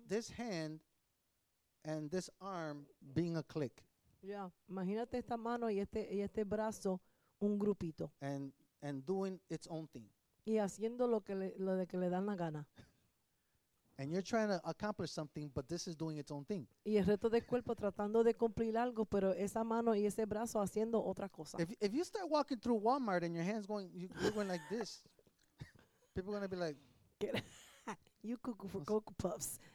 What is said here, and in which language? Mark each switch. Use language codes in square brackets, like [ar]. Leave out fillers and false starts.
[en] this hand and this arm being a clique. Yeah. [es] Imagínate esta mano y este brazo un grupito. [en] And doing its own thing. [es] Y haciendo lo que le dan la gana. [en] And you're trying to accomplish something, but this is doing its own thing. [es] Y el resto del cuerpo tratando de cumplir algo, pero esa mano y ese brazo haciendo otra cosa. [en] If you start walking through Walmart and your hands going, you're going like this, people are going to be like, you cuckoo for Cocoa Puffs.